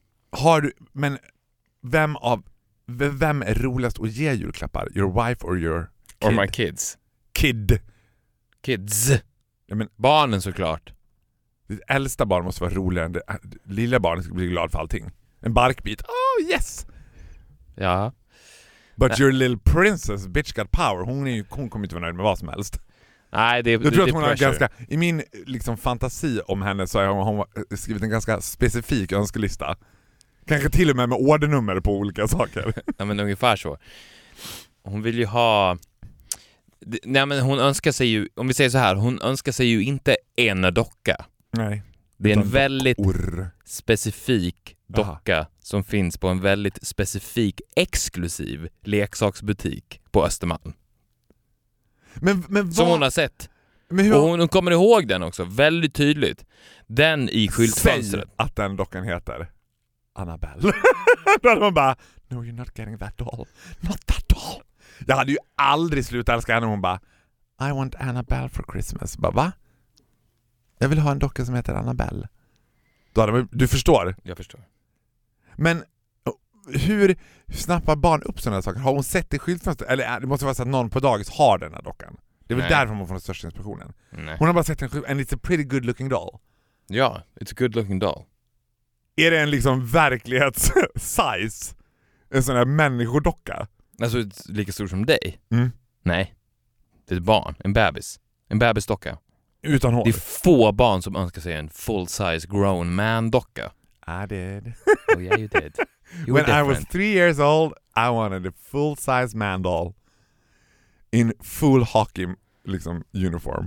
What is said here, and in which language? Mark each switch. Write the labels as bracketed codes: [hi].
[sv] Har du, men vem är roligast att ge julklappar? [en] Your wife or your kid? Or my kids. Kid. Kids. [sv] Ja, men barnen såklart. Ditt äldsta barn måste vara roligare än det. Lilla barnet ska bli glad för allting. En barkbit. [en] Oh, yes! [sv] Ja. [en] But your little princess, bitch got power. [sv] Hon kommer inte vara nöjd med vad som helst. Nej, det jag tror att hon [en] pressure. [sv] Har ganska... I min liksom, fantasi om henne så har hon skrivit en ganska specifik önskelista. Kanske till och med ordernummer på olika saker. Ja, men ungefär så. Hon vill ju ha... Nej, men hon önskar sig ju... Om vi säger så här, hon önskar sig ju inte en docka. Nej, det är en väldigt specifik docka. Aha. Som finns på en väldigt specifik exklusiv leksaksbutik på Östermalm. Men som hon har sett. Hon kommer ihåg den också väldigt tydligt. Den i skyltfönstret. Säg att den dockan heter. Annabelle. Då hade man bara, [en] no you're not getting that doll. Not that doll. [sv] Jag hade ju aldrig slutat älska henne. Hon bara, [en] I want Annabelle for Christmas. [sv] Jag bara, va? Jag vill ha en docka som heter Annabelle. Då hade man, du förstår? Jag förstår. Men hur snappar barn upp sådana saker? Har hon sett det i skyltfönstret? Eller det måste vara så att någon på dagis har den här dockan. Det är väl därför hon får den största inspirationen. Nej. Hon har bara sett en skyltfönstret. [en] And it's a pretty good looking doll. [sv] Ja, it's a good looking doll. Är det en liksom verklighets-size? En sån här människodocka? Alltså lika stor som dig? Mm. Nej. Det är ett barn. En bebis. En bebisdocka. Utan hår. Det är få barn som önskar sig en full-size grown man-docka. [en] I did. Oh yeah, you did. You When different. I was 3 years old, I wanted a full-size man doll in full hockey liksom, uniform.